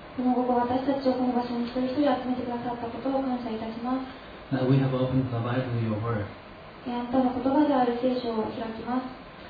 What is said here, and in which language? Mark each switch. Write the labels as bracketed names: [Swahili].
[Japanese] この午後、私たちをこの場所に一人一人集めてくださったことを感謝いたします。 [English] Now we have opened the Bible, your word. [Japanese] あなたの言葉である聖書を開きます。